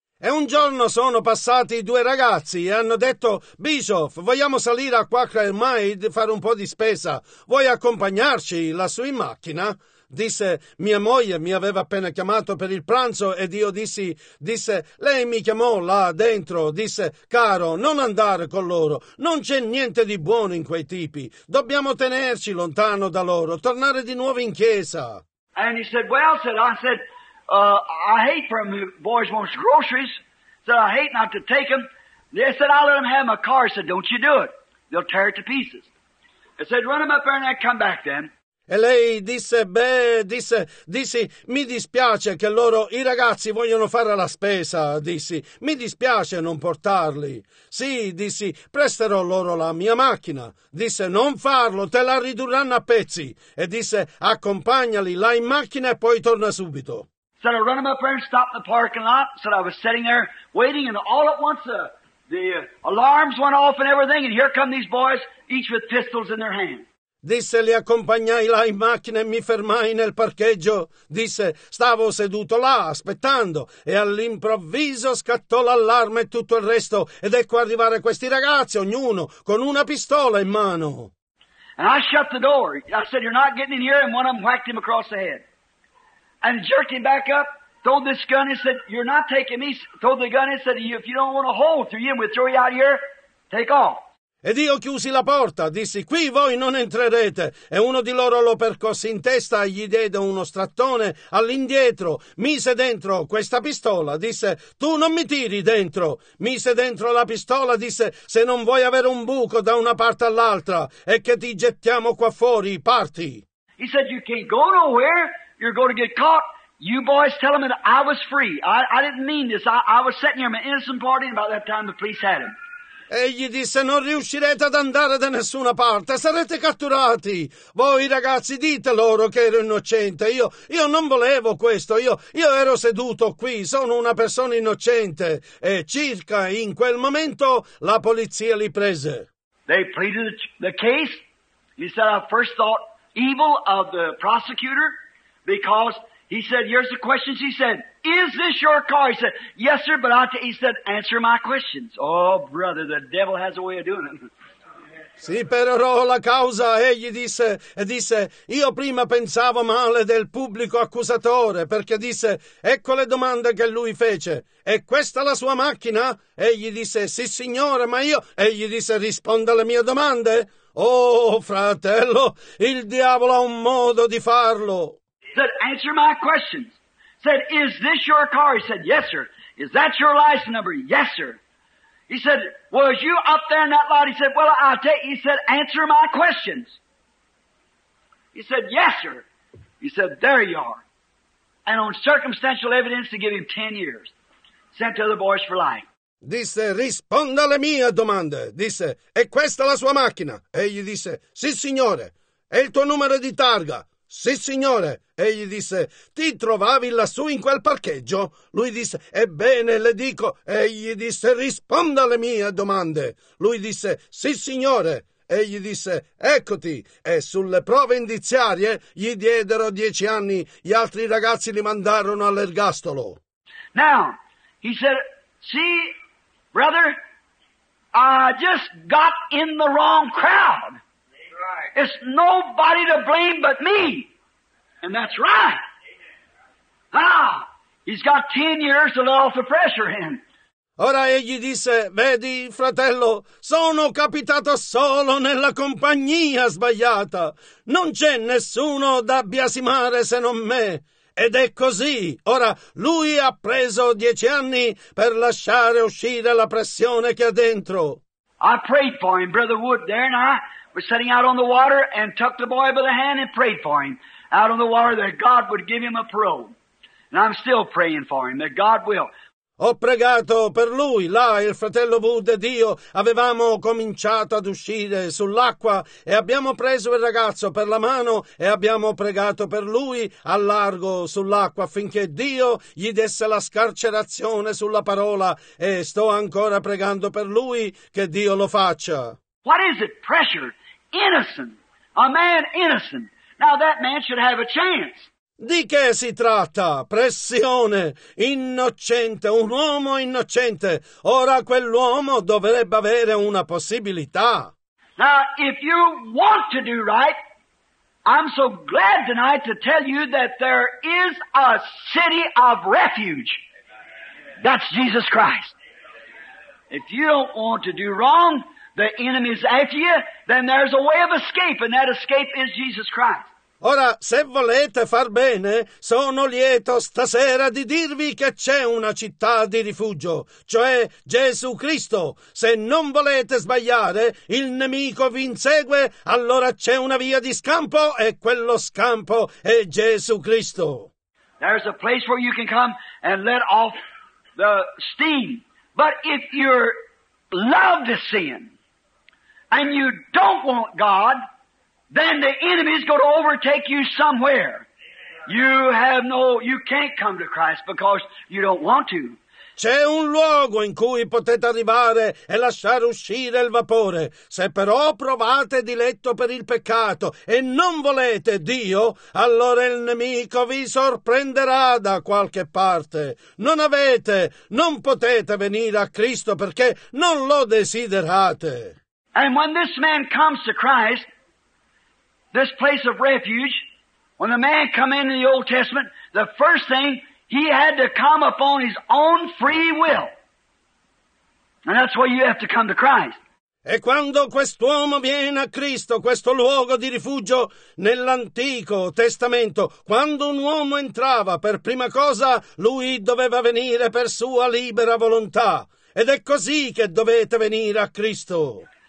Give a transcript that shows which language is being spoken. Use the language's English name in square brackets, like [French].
[Italian] E un giorno sono passati due ragazzi e hanno detto, Bischoff, vogliamo salire a Quaker Maid e fare un po' di spesa. Vuoi accompagnarci lassù in macchina? Disse, mia moglie mi aveva appena chiamato per il pranzo ed io disse, lei mi chiamò là dentro, disse, caro, non andare con loro, non c'è niente di buono in quei tipi, dobbiamo tenerci lontano da loro, tornare di nuovo in chiesa. [English] And he said, well, I hate for them, boys wants groceries, said, I hate not to take them. They said, I'll let them have my car, said, don't you do it, they'll tear it to pieces. I said, run them up there and I'll come back then. [Italian] E lei disse, beh, dissi, mi dispiace che loro, i ragazzi, vogliono fare la spesa, dissi, mi dispiace non portarli. Sì, dissi, presterò loro la mia macchina. Disse, non farlo, te la ridurranno a pezzi. E disse, accompagnali là in macchina e poi torna subito. [English] Said, I run them up there and stopped in the parking lot. Said, I was sitting there waiting and all at once the alarms went off and everything and here come these boys, each with pistols in their hands. [Italian] Disse, li accompagnai là in macchina e mi fermai nel parcheggio. Disse, stavo seduto là, aspettando, e all'improvviso scattò l'allarme e tutto il resto, ed ecco arrivare questi ragazzi, ognuno, con una pistola in mano. [English] And I shut the door. I said, you're not getting in here, and one of them whacked him across the head. And jerked him back up, throwed this gun, and said, you're not taking me, throw the gun, and said, if you don't want a hole through you, and we'll throw you out here, take off. [Italian] Ed io chiusi la porta, dissi, qui voi non entrerete. E uno di loro lo percosse in testa e gli diede uno strattone all'indietro. Mise dentro questa pistola, disse, tu non mi tiri dentro. Mise dentro la pistola, disse, se non vuoi avere un buco da una parte all'altra e che ti gettiamo qua fuori, parti. [English] He said, you can't go nowhere, you're going to get caught. You boys tell him that I was free. I didn't mean this, I was sitting here, I'm an innocent party, and by that time the police had him. [Italian] Egli disse, non riuscirete ad andare da nessuna parte, sarete catturati. Voi ragazzi dite loro che ero innocente, io non volevo questo, io ero seduto qui, sono una persona innocente. E circa in quel momento la polizia li prese. [English] They pleaded the case. He said, I first thought evil of the prosecutor, because he said, here's the question, he said, is this your car? He said, yes, sir, but I he said, answer my questions. Oh, brother, the devil has a way of doing it. [Italian] Sì, però la causa, egli disse, e disse, io prima pensavo male del pubblico accusatore, perché disse, ecco le domande che lui fece, è questa la sua macchina? Egli disse, sì, signore, ma io, egli disse, risponda alle mie domande. Oh, fratello, il diavolo ha un modo di farlo. [English] He said, answer my questions. Said, is this your car? He said, yes, sir. Is that your license number? Yes, sir. He said, was you up there in that lot? He said, well, I'll tell you. He said, answer my questions. He said, yes, sir. He said, there you are. And on circumstantial evidence, they give him 10 years. Sent to other boys for life. [Italian] Disse, risponda alle mie domande. Disse, è questa la sua macchina? Egli disse, sì signore. È il tuo numero di targa? Sì signore. Egli disse, ti trovavi lassù in quel parcheggio? Lui disse, ebbene le dico. Egli disse, risponda alle mie domande. Lui disse, sì signore. Egli disse, eccoti. E sulle prove indiziarie gli diedero 10 anni. Gli altri ragazzi li mandarono all'ergastolo. [English] Now, he said, see, brother, I just got in the wrong crowd. It's nobody to blame but me. And that's right. Ah, he's got 10 years to let off the pressure him. [Italian] Ora egli disse, vedi, fratello, sono capitato solo nella compagnia sbagliata. Non c'è nessuno da biasimare se non me. Ed è così. Ora, lui ha preso 10 anni per lasciare uscire la pressione che ha dentro. [English] I prayed for him. Brother Wood there and I were sitting out on the water and took the boy by the hand and prayed for him out on the water that God would give him a parole. And I'm still praying for him that God will. [Italian] Ho pregato per lui, là il fratello Wood ed io avevamo cominciato ad uscire sull'acqua e abbiamo preso il ragazzo per la mano e abbiamo pregato per lui a largo sull'acqua affinché Dio gli desse la scarcerazione sulla parola e sto ancora pregando per lui che Dio lo faccia. [English] What is it? Pressure. Innocent. A man innocent. Now that man should have a chance. [Italian] Di che si tratta? Pressione, innocente, un uomo innocente. Ora quell'uomo dovrebbe avere una possibilità. [English] Now, if you want to do right, I'm so glad tonight to tell you that there is a city of refuge. That's Jesus Christ. If you don't want to do wrong, the enemy's after you, then there's a way of escape, and that escape is Jesus Christ. [Italian] Ora, se volete far bene, sono lieto stasera di dirvi che c'è una città di rifugio, cioè Gesù Cristo. Se non volete sbagliare, il nemico vi insegue, allora c'è una via di scampo e quello scampo è Gesù Cristo. [English] There's a place where you can come and let off the steam. But if you love the sin and you don't want God, then the enemy is going to overtake you somewhere. You can't come to Christ because you don't want to. [Italian] C'è un luogo in cui potete arrivare e lasciare uscire il vapore. Se però provate diletto per il peccato e non volete Dio, allora il nemico vi sorprenderà da qualche parte. Non potete venire a Cristo perché non lo desiderate. [English] And when this man comes to Christ, this place of refuge, when the man come in the Old Testament, the first thing, he had to come upon his own free will. And that's why you have to come to Christ. [Italian] E quando quest'uomo viene a Cristo, questo luogo di rifugio, nell'Antico Testamento, quando un uomo entrava, per prima cosa, lui doveva venire per sua libera volontà. Ed è così che dovete venire a Cristo.